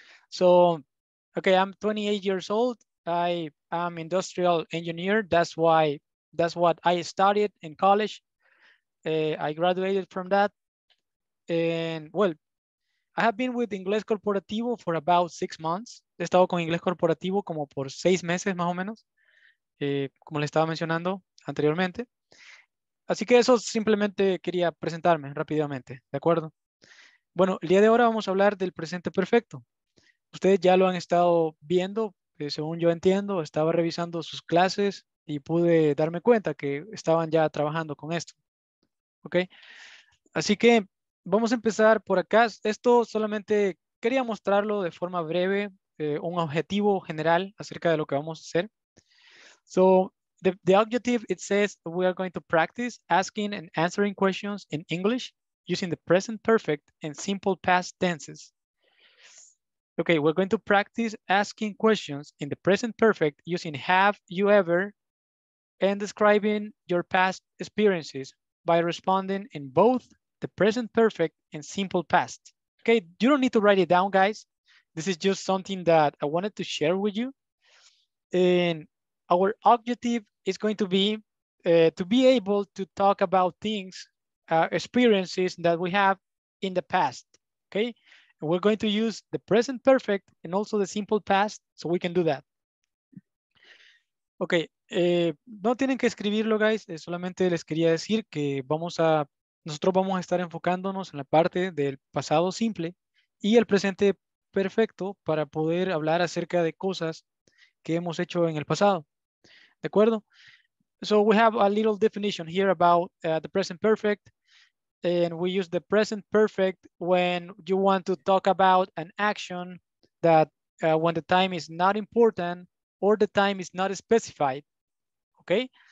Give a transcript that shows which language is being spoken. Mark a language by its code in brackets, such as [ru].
[en] So, okay, I'm 28 years old. I am industrial engineer. That's what I studied in college. I graduated from that. And well, I have been with Inglés Corporativo for about 6 months. [es] He estado con Inglés Corporativo como por 6 meses más o menos, como le estaba mencionando anteriormente. Así que eso simplemente quería presentarme rápidamente, ¿de acuerdo? Bueno, el día de ahora vamos a hablar del presente perfecto. Ustedes ya lo han estado viendo, según yo entiendo, estaba revisando sus clases y pude darme cuenta que estaban ya trabajando con esto. ¿Ok? Así que vamos a empezar por acá. Esto solamente quería mostrarlo de forma breve, un objetivo general acerca de lo que vamos a hacer. [en] So, the objective, it says we are going to practice asking and answering questions in English using the present perfect and simple past tenses. Okay, we're going to practice asking questions in the present perfect using have you ever and describing your past experiences by responding in both the present perfect and simple past. Okay, you don't need to write it down, guys. This is just something that I wanted to share with you. And our objective is going to be able to talk about things, experiences that we have in the past, okay? And we're going to use the present perfect and also the simple past so we can do that. [es] Okay, no tienen que escribirlo, guys. Solamente les quería decir que nosotros vamos a estar enfocándonos en la parte del pasado simple y el presente perfecto para poder hablar acerca de cosas que hemos hecho en el pasado. ¿De acuerdo? [en] So we have a little definition here about the present perfect. And we use the present perfect when you want to talk about an action that when the time is not important or the time is not specified. Okay?